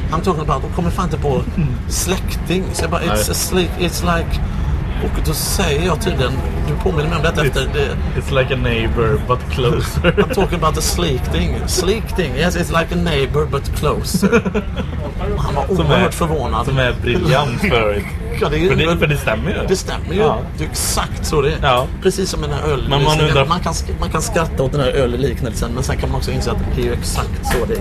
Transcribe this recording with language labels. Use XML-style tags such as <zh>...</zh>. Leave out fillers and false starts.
<en>I'm talking about,</en> <sv>kommer fan inte på släkting. Så jag bara,</sv> <en>it's like...</en> <sv>Och då säger jag tydligen, du påminner mig om detta efter det.</sv> <en>It's like a neighbor, but closer. I'm talking about a sleek thing. Yes, it's like a neighbor, but closer.</en> <sv>Och han var oerhört förvånad. Som är briljant för det. Ja, det stämmer ju. Det stämmer ju. Ja. Det är exakt så det är. Ja. Precis som den här öl. Man kan skratta åt den här ölliknelsen, men sen kan man också inse att det är ju exakt så det är.</sv>